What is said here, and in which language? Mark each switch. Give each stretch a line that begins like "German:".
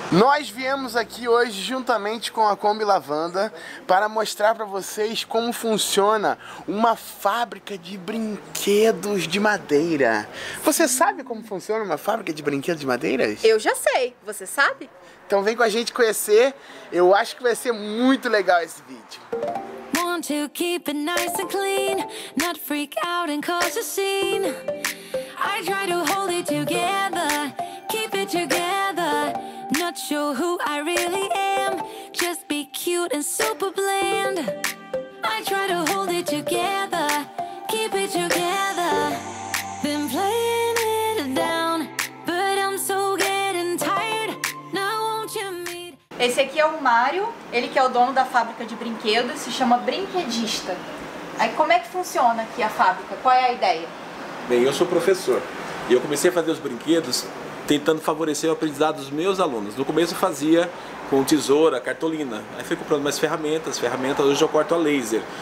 Portuguese: Nós viemos aqui hoje juntamente com a Kombi Lavanda para mostrar para vocês como funciona uma fábrica de brinquedos de madeira. Você sabe como funciona uma fábrica de brinquedos de madeira? Eu já sei. Você sabe? Então vem com a gente conhecer. Eu acho que vai ser muito legal esse vídeo.
English: Want to keep it nice and clean, not freak out and cause a scene. I try to hold it together, keep it together. Not sure who I really am, just be cute and super bland. I try to hold it together, keep it together. Been playing it down, but I'm so getting tired. Now won't you meet?
Portuguese: Esse aqui é o Mário, ele que é o dono da fábrica de brinquedos, se chama Brinquedista. Aí como é que funciona aqui a fábrica? Qual é a ideia? Bem, eu sou professor e eu comecei a fazer os brinquedos tentando favorecer o aprendizado dos meus alunos. No começo eu fazia com tesoura, cartolina. Aí fui comprando mais ferramentas, hoje eu corto a laser.